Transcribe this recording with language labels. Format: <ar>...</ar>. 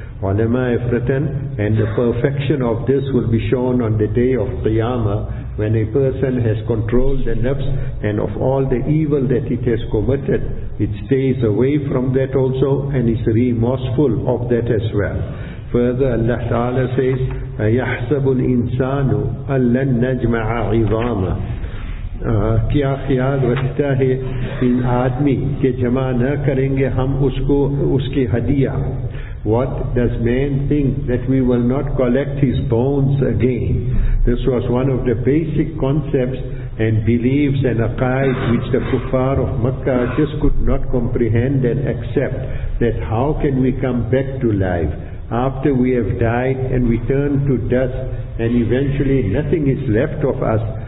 <en>Ulama have written, and the perfection of this will be shown on the day of Qiyamah, when a person has controlled the nafs, and of all the evil that it has committed, it stays away from that also, and is remorseful of that as well.</en> <ar>Further, Allah Ta'ala says, أَيَحْسَبُ الْإِنسَانُ أَلَّنْ نَجْمَعَ عِظَامًا.</ar> <ur>کیا خیال رکھتا ہے ان آدمی کہ جمع نہ کریں گے ہم اس کو اس کی ہدیہ.</ur> <en>What does man think, that we will not collect his bones again? This was one of the basic concepts and beliefs and aqaid which the kuffar of Makkah just could not comprehend and accept, that how can we come back to life after we have died and we turn to dust and eventually nothing is left of us?</en>